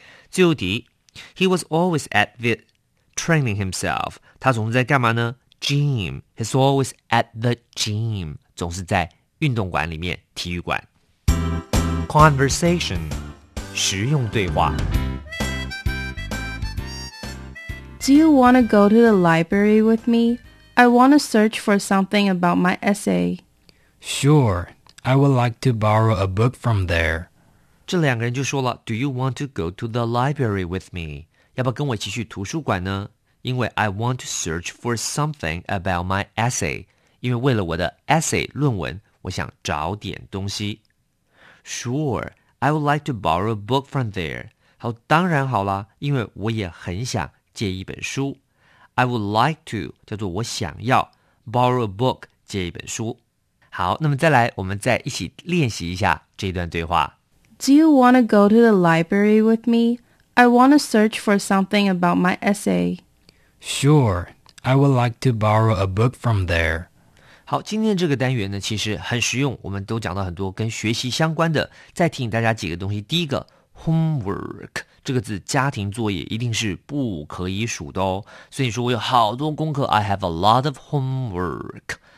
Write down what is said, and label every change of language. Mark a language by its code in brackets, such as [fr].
[zh] 最后题， [en] He was always at the training himself. [zh] 他总是在干嘛呢？ [en] Gym. He's always at the gym. [zh] 总是在运动馆里面，体育馆。 Conversation 实用对话。 [en] Do you want to go to the library with me? I want to search for something about my essay. Sure, I would like to borrow a book from there. [zh] 这两个人就说了 [en] Do you want to go to the library with me? [zh] 要不要跟我一起去图书馆呢？因为 [en] I want to search for something about my essay. [zh] 因为为了我的 essay 论文，我想找点东西。 [en] Sure, I would like to borrow a book from there. [zh] 好，当然好了，因为我也很想借一本书。 [en] I would like to [zh] 叫做我想要， [en] borrow a book [zh] 借一本书。好，那么再来，我们再一起练习一下这一段对话。 [en] Do you want to go to the library with me? I want to search for something about my essay. Sure, I would like to borrow a book from there. [zh] 好，今天这个单元呢，其实很实用，我们都讲到很多跟学习相关的。再提醒大家几个东西，第一个 homework 这个字，家庭作业一定是不可以数的哦。所以你说我有好多功课， [en] I have a lot of homework.